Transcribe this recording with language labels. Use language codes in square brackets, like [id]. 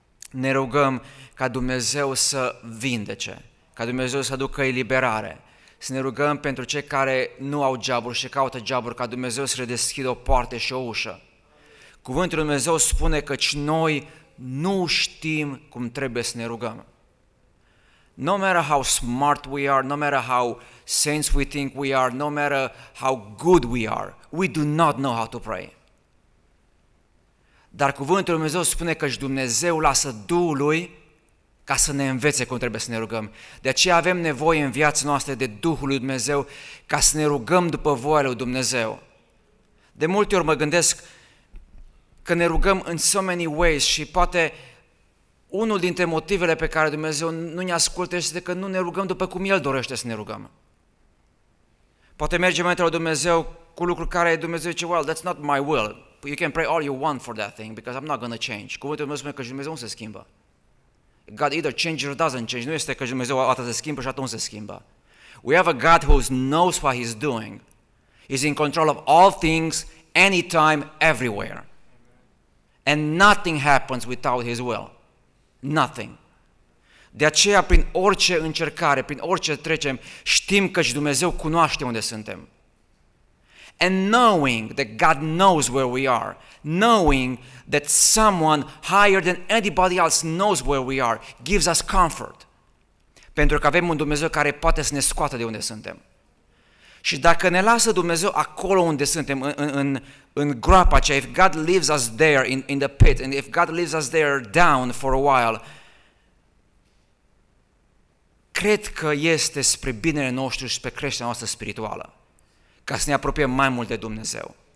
[ro] Ne rugăm ca Dumnezeu să vindece, ca Dumnezeu să aducă eliberare. Să ne rugăm pentru cei care nu au geaburi și caută geaburi, ca Dumnezeu să redeschidă o poartă și o ușă. Cuvântul lui Dumnezeu spune că noi nu știm cum trebuie să ne rugăm. [en] No matter how smart we are, no matter how sense we think we are, no matter how good we are, we do not know how to pray. [ro] Dar cuvântul lui Dumnezeu spune că Dumnezeu lasă Duhului ca să ne învețe cum trebuie să ne rugăm. De aceea avem nevoie în viața noastră de Duhul lui Dumnezeu ca să ne rugăm după voia lui Dumnezeu. De multe ori mă gândesc că ne rugăm [en] in so many ways [ro] și poate unul dintre motivele pe care Dumnezeu nu ne ascultă este că nu ne rugăm după cum El dorește să ne rugăm. Poate mergem înainte la Dumnezeu cu lucruri care Dumnezeu zice, [en] well, that's not my will. You can pray all you want for that thing because I'm not going to change. [ro] Cuvântul Dumnezeu spune că Dumnezeu nu se schimbă. [en] God either changes or doesn't change. [ro] Nu este că Dumnezeu atât se schimbă și atunci se schimbă. [en] We have a God who knows what He's doing. He's in control of all things, anytime, everywhere. And nothing happens without His will. Nothing. [ro] De aceea, prin orice încercare, prin orice trecem, știm că și Dumnezeu cunoaște unde suntem. [en] And knowing that God knows where we are, knowing that someone higher than anybody else knows where we are, gives us comfort. [ro] Pentru că avem un Dumnezeu care poate să ne scoată de unde suntem. Și dacă ne lasă Dumnezeu acolo unde suntem, în groapa aceea, [en] if God leaves us there in the pit, and if God leaves us there down for a while, [ro] cred că este spre binele nostru și spre creșterea noastră spirituală, ca să ne apropiem mai mult de Dumnezeu.